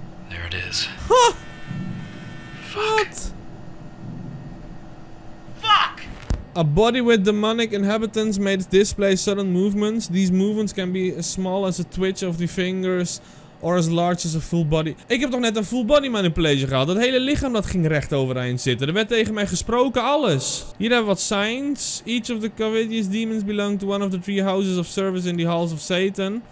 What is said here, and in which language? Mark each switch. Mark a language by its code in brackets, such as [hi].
[en] There it is. Huh? Fuck. What? Fuck! A body with demonic inhabitants may display sudden movements. These movements can be as small as a twitch of the fingers. Or as large as a full body. [nl] Ik heb toch net een full body manipulation gehad? Dat hele lichaam dat ging recht overeind zitten. Er werd tegen mij gesproken, alles. Hier hebben we wat signs. [en] Each of the Covidius demons belong to one of the three houses of service in the halls of Satan.